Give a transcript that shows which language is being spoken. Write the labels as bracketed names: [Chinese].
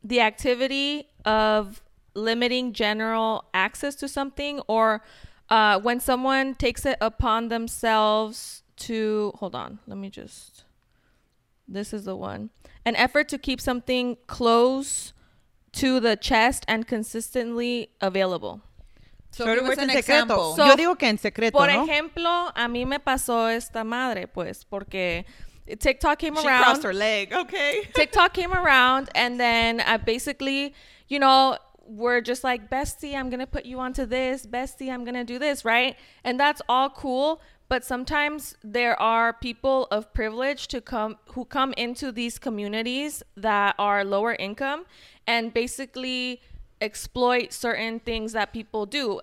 [English] the activity of limiting general access to something or when someone takes it upon themselves to, hold on, let me just, this is the one, an effort to keep something close to the chest and consistently available. So give us an example. [Spanish] Yo digo que en secreto, por ejemplo, a mí me pasó esta madre, pues, porque... [English] TikTok came around. She crossed her leg. Okay. TikTok came around. And then I basically, you know, we're just like, bestie, I'm going to put you onto this. Bestie, I'm going to do this. Right. And that's all cool. But sometimes there are people of privilege to come who come into these communities that are lower income and basically exploit certain things that people do.